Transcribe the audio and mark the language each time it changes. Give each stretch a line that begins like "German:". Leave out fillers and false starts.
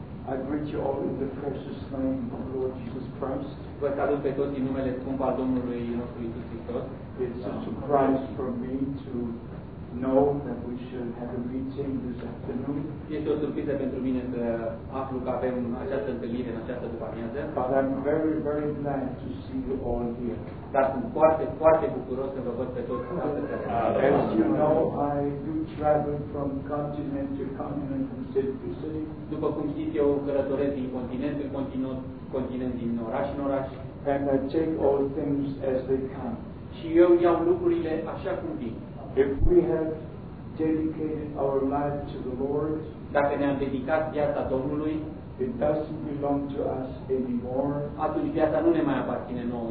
English: I greet you all in the precious name of the Lord Jesus Christ.
Romanian: Vă salut pe toți în numele scump al Domnului nostru Iisus Hristos.
English: It's a surprise for me to know that we should have a meeting this afternoon.
Romanian: Este o surpriză pentru mine să aflu că avem această întâlnire în această după-amiază.
English: But I'm very, very glad to see you all here.
Romanian: Dar sunt foarte, foarte bucuros să vă văd pe toți astăzi.
English: As you know, I do travel from continent to continent from city to city.
Romanian: După cum știți, eu călătoresc din continent în continent, din oraș în oraș.
English: And I take all things as they come.
Romanian: Și eu iau lucrurile așa cum vin.
English: If we have dedicated our life to the Lord,
Romanian: dacă ne-am dedicat viața Domnului,
English: it doesn't belong to us anymore.
Romanian: Atunci viața nu ne mai aparține nouă.